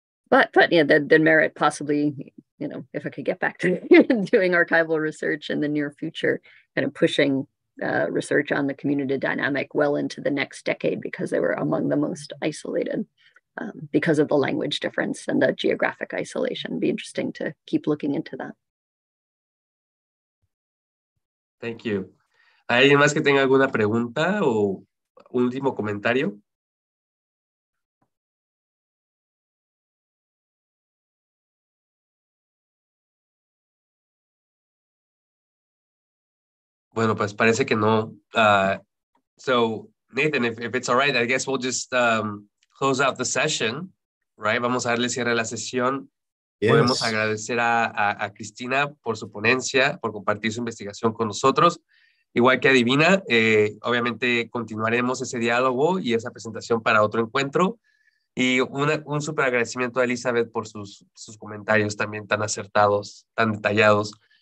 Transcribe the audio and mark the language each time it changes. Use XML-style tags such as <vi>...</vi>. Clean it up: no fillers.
<en>But yeah, the merit possibly, you know, if I could get back to doing archival research in the near future, kind of pushing research on the community dynamic well into the next decade, because they were among the most isolated. Because of the language difference and the geographic isolation. It'd be interesting to keep looking into that. Thank you.</en> <es>¿Alguien más que tenga alguna pregunta o un último comentario? Bueno, pues parece que no.</es> <en>So, Nathan, if it's all right, I guess we'll just... close out the session, right?</en> <es>Vamos a darle cierre a la sesión.</es> <en>Yes.</en> <es>Podemos agradecer a Cristina por su ponencia, por compartir su investigación con nosotros. Igual que Adivina, obviamente continuaremos ese diálogo y esa presentación para otro encuentro. Y un súper agradecimiento a Elizabeth por sus comentarios también tan acertados, tan detallados.</es>